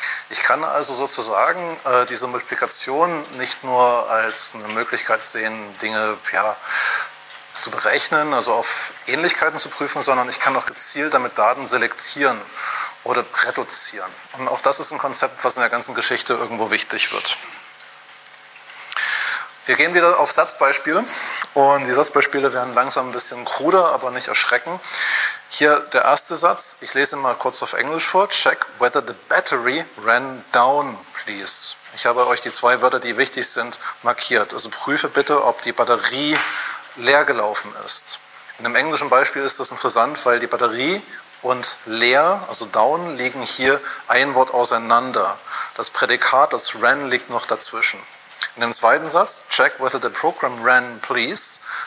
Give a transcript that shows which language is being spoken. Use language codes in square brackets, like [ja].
[de] Ich kann also sozusagen diese Multiplikation nicht nur als eine Möglichkeit sehen, Dinge ja, zu berechnen, also auf Ähnlichkeiten zu prüfen, sondern ich kann auch gezielt damit Daten selektieren oder reduzieren. Und auch das ist ein Konzept, was in der ganzen Geschichte irgendwo wichtig wird. Wir gehen wieder auf Satzbeispiele und die Satzbeispiele werden langsam ein bisschen kruder, aber nicht erschrecken. Hier der erste Satz, ich lese ihn mal kurz auf Englisch vor. [en] Check whether the battery ran down, please. [de] Ich habe euch die zwei Wörter, die wichtig sind, markiert. Also prüfe bitte, ob die Batterie leer gelaufen ist. In einem englischen Beispiel ist das interessant, weil die Batterie und leer, also down, liegen hier ein Wort auseinander. Das Prädikat, das ran, liegt noch dazwischen. In dem zweiten Satz, [en] check whether the program ran, please.